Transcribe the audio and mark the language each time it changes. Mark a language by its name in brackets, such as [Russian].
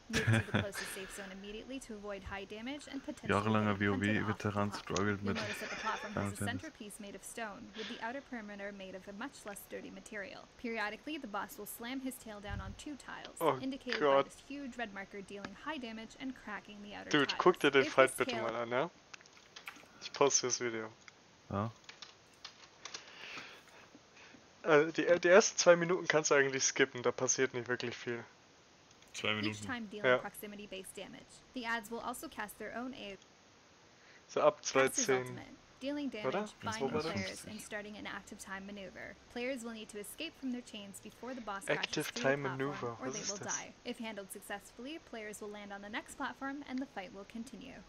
[English] Move to the closest safe zone immediately to avoid high damage and potential. [German] Jahrelanger WoW-Veteran struggled mit. [English] You notice that the platform has a centerpiece made of stone, with the outer perimeter made of a much less dirty material. Periodically, the boss will slam his tail down on two tiles, indicated by this huge red marker dealing high damage and cracking the outer tiles. [German] Dude, guck dir den Fight bitte mal an, ja? Ich poste das Video. Ja. Die ersten zwei Minuten kannst du eigentlich skippen, da passiert nicht wirklich viel. Zwei Minuten. [English] Each time dealing proximity-based damage. The adds will also cast their own AoE. [German] So ab 2:10. [English] Dealing damage, binding players, and starting an active time maneuver. Players will need to escape from their chains before the boss crashes through the platform, maneuver. Or they will die. If handled successfully, players will land on the next platform, and the fight will continue.